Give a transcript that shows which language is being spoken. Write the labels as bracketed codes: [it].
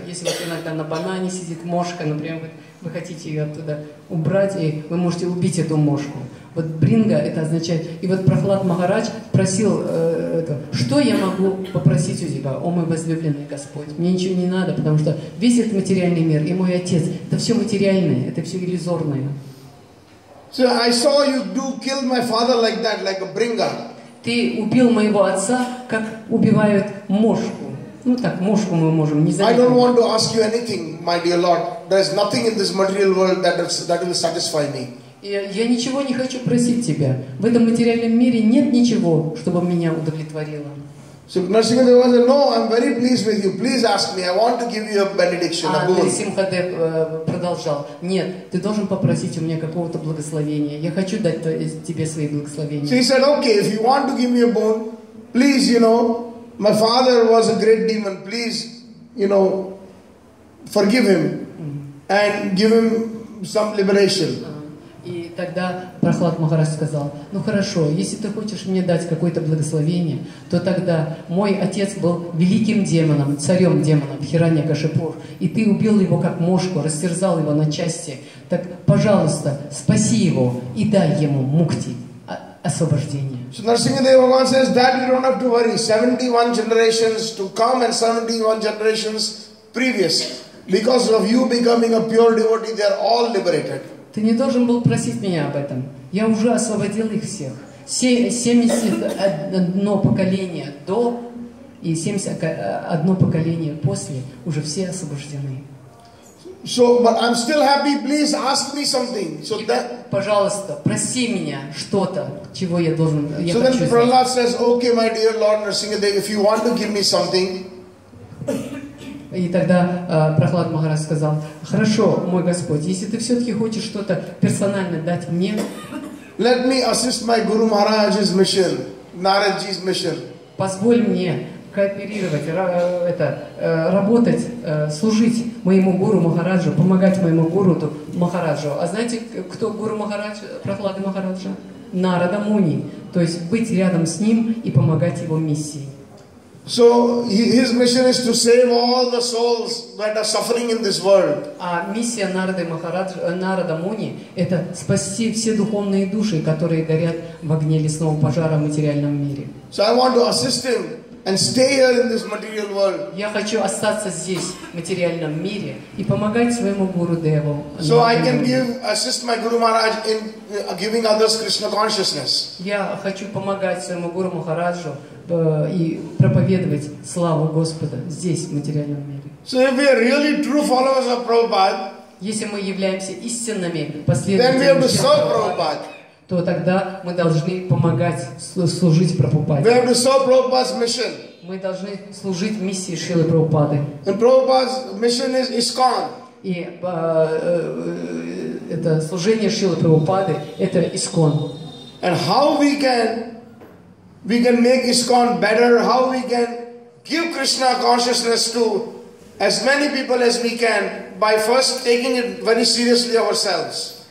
[ru] Если вот иногда на банане сидит мошка, например, вы хотите ее оттуда убрать, и вы можете убить эту мошку. Вот бринга это означает. И вот Прахлад Махарадж просил, что я могу попросить у тебя, о мой возлюбленный Господь? Мне ничего не надо, потому что весь этот материальный мир и мой отец, это все материальное, это все иллюзорное. [en] So I saw you do kill my father like that, like a bringa. [ru] Ты убил моего отца, как убивают мошку. Ну так, мошку мы можем не заметить. [en] I don't want to ask you anything, my dear Lord. There is nothing in this material world that will satisfy me. [ru] Я ничего не хочу просить тебя. В этом материальном мире нет ничего, чтобы меня удовлетворило. [en] So Нарсимхадев said, no, I'm very pleased with you. Please ask me. I want to give you a benediction. [ru] Нарсимхадев продолжал. Нет, ты должен попросить у меня какого-то благословения. Я хочу дать тебе свои благословения. [en] So he said, okay, if you want to give me a boon, please, you know, my father was a great demon. Please, you know, forgive him and give him some liberation. [ru] И тогда Прахлад Махарадж сказал, ну хорошо, если ты хочешь мне дать какое-то благословение, то тогда мой отец был великим демоном, царем демонов, Хираньякашипу, и ты убил его как мошку, растерзал его на части. Так, пожалуйста, спаси его и дай ему мукти, освобождение. [en] So Narsimhadeva Bhagavan says, Dad, you don't have to worry. 71 generations to come and 71 generations previous. Because of you becoming a pure devotee, they are all liberated. [ru] Ты не должен был просить меня об этом. Я уже освободил их всех. 71 поколение до и 71 поколение после уже все освобождены. [en] So, but I'm still happy. Please ask me something. So that. [ru] Пожалуйста, проси меня что-то, чего я должен. [en] So then Prahlad says, "Okay, my dear Lord Narsimhadev, if you want to give me something." [ru] И тогда Прахлад Махарадж сказал, хорошо, мой Господь, если ты все-таки хочешь что-то персонально дать мне, [en] let me assist my Guru Maharaj's mission, Narad Ji's mission. [ru] Позволь мне кооперировать, работать, служить моему гуру Махараджу, помогать моему гуру Махараджу. А знаете, кто гуру Махарадж, Прахлада Махараджа? Нарада Муни. То есть быть рядом с ним и помогать его миссии. [en] So his mission is to save all the souls that are suffering in this world. [ru] А миссия Нарады Махараджа, Нарада Муни, это спасти все духовные души, которые горят в огне лесного пожара в материальном мире. [en] So I want to assist him and stay here in this material world. [ru] Я хочу остаться здесь в материальном мире и помогать своему гуру Деву. [en] So I can assist my Guru Maharaj in giving others Krishna consciousness. [ru] Я хочу помогать своему гуру Махараджу и проповедовать славу Господа здесь, в материальном мире. [en] So if we are really true followers of Prabhupada, [ru] если мы являемся истинными последователями Прабхупады, то тогда мы должны помогать, служить Прабхупаде. [en] We have to serve Prabhupada's mission. [ru] Мы должны служить миссии Шрилы Прабхупады. [en] And Prabhupada's mission is ISKCON. [ru] И это служение Шрилы Прабхупады — это ISKCON. [en] And how we can make ISKCON better, how we can give Krishna consciousness to as many people as we can by first taking it very seriously ourselves.